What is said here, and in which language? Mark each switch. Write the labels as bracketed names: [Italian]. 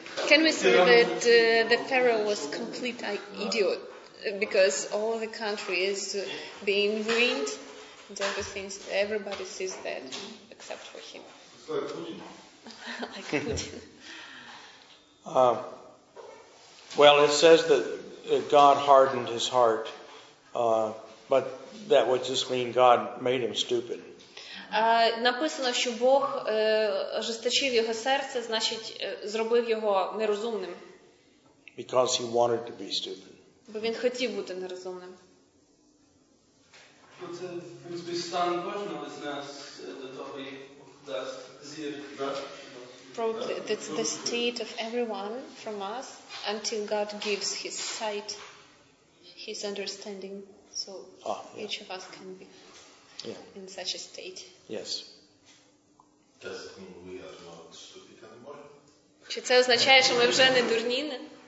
[English] Can we say that the Pharaoh was complete idiot because all the country is being ruined and everything, everybody sees that except for him. Like Putin. Well, it says that God hardened his heart, but that would just mean God made him stupid. [Ukrainian] Написано, що Бог ожесточив його серце, значить, зробив його нерозумним. [English] Because he wanted to be stupid. [Ukrainian] Бо він хотів бути нерозумним. Ну, це, в принципі, стан кожного з нас до того, як Бог дасть зір, так? [English] Probably, that's the state of everyone from us until God gives his sight, his understanding, so each of us can be. Yeah. In such a state. Yes. Does it mean we are not stupid anymore? [Ukrainian] Чи це означає, що ми вже не дурні?